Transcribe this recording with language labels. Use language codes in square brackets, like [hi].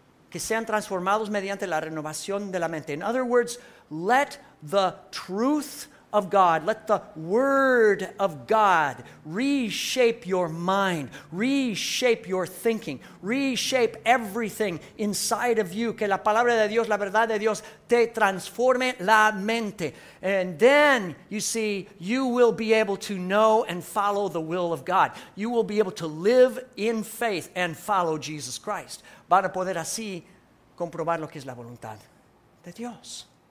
[es] Que sean transformados mediante la renovación de la mente. [en] In other words, let the truth of God, let the word of God reshape your mind, reshape your thinking, reshape everything inside of you. [es] Que la palabra de Dios, la verdad de Dios, te transforme la mente. [en] And then, you see, you will be able to know and follow the will of God. You will be able to live in faith and follow Jesus Christ. [es] Van a poder así comprobar lo que es la voluntad de Dios.